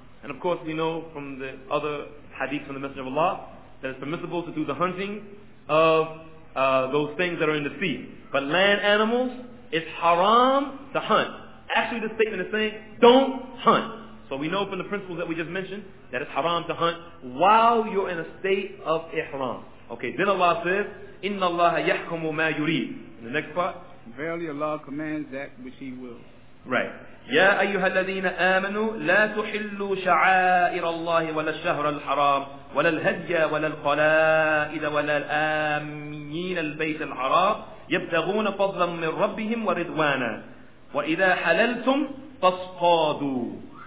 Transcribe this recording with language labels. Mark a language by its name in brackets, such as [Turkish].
[English] And of course we know from the other hadith from the Messenger of Allah that it's permissible to do the hunting of those things that are in the sea. But land animals, it's haram to hunt. Actually the statement is saying, don't hunt. So we know from the principles that we just mentioned that it's haram to hunt while you're in a state of ihram. Okay, then Allah says, [Arabic] إِنَّ اللَّهَ يَحْكُمُ مَا يُرِيدُ. [English] In the next part. Verily Allah commands that which He wills. [Arabic] Right. يَا أَيُّهَا الَّذِينَ آمَنُوا لَا تُحِلُّوا شَعَائِرَ اللَّهِ وَلَا الشَّهْرَ الْحَرَامِ وَلَا الْهَدْيَ وَلَا الْقَلَائِدَ وَلَا الْآمِّينَ الْبَيْتَ الْحَرَامِ يَبْتَغُونَ فَضْلًا مِنْ رَبِّهِمْ وَرِضْوَانًا وَإِذَا حَلَلْتُمْ فَاصْطَادُوا.